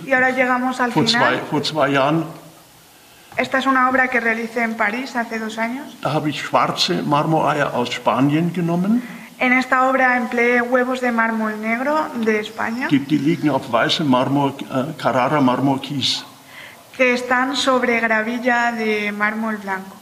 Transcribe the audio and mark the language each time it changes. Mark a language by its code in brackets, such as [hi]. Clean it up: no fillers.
[es] Y ahora llegamos al [de] vor [es] final. [de] Vor zwei Jahren. [es] Esta es una obra que realicé en París hace 2 años. [de] Da habe ich schwarze Marmoreier aus Spanien genommen. [es] En esta obra empleé huevos de mármol negro de España. [de] Die liegen auf weißem Marmor, Carrara Marmorkies. [es] Que están sobre gravilla de mármol blanco.